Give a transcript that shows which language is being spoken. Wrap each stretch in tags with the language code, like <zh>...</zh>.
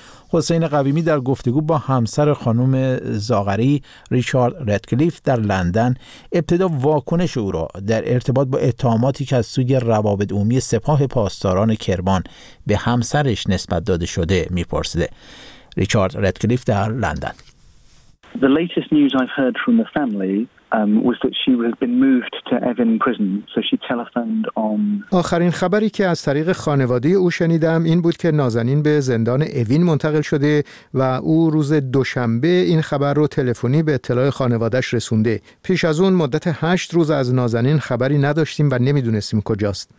<fa>حسین قویمی در گفتگو با همسر خانم زاغری ریچارد ردکلیف در لندن ابتدا واکنش او را در ارتباط با اتهاماتی که از سوی روابط عمومی سپاه پاسداران کرمان به همسرش نسبت داده شده می‌پرسیده. ریچارد ردکلیف در لندن:</fa> <en>The latest news I've heard from the family was that she has been moved to Evin prison. So she telephoned on.</en> <fa>آخرین خبری که از طریق خانواده او شنیدم این بود که نازنین به زندان اوین منتقل شده و او روز دوشنبه این خبر رو تلفنی به اطلاع خانواده‌اش رسونده. پیش از اون مدت 8 روز از نازنین خبری نداشتیم و نمی‌دونستیم کجاست.</fa>